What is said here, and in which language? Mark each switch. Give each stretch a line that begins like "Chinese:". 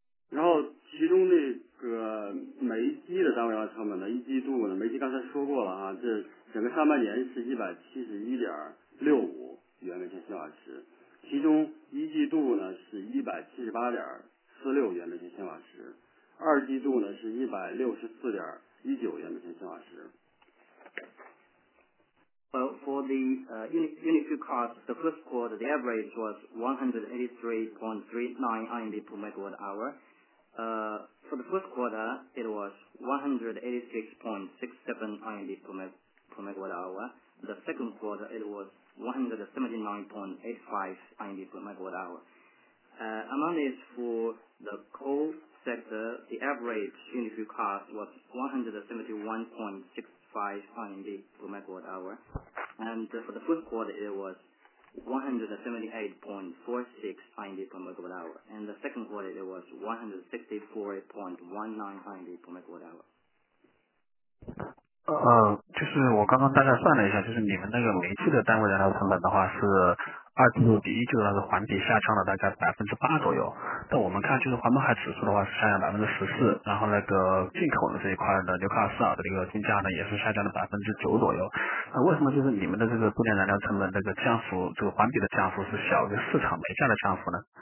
Chinese: 然后其中那个煤机的单位燃料成本呢，一季度呢煤机刚才说过了哈，这整个上半年是171.65元每千千瓦时，其中一季度呢是178.46元每千千瓦时，二季度呢是164.19元每千千瓦时。
English: Well, for the unit fuel cost, the first quarter, the average was 183.39 RMB per megawatt hour. For the first quarter, it was 186.67 RMB per megawatt hour. The second quarter, it was 179.85 RMB per megawatt hour. Among these, for the coal sector, the average unit fuel cost was 171.65 RMB per megawatt hour. And for the first quarter, it was 178.46 RMB per megawatt hour. And the second quarter, it was 164.19 RMB per megawatt hour.
Chinese: 就是我刚刚大概算了一下，就是你们那个煤气的单位燃料成本的话是二季度比一季度是环比下降了大概8%左右，但我们看就是环海指数的话是下降14%，然后那个进口的这一块的纽卡斯尔的这个定价呢也是下降了9%左右，那为什么就是你们的这个度电燃料成本这个降幅，这个环比的降幅是小于市场煤价的降幅呢？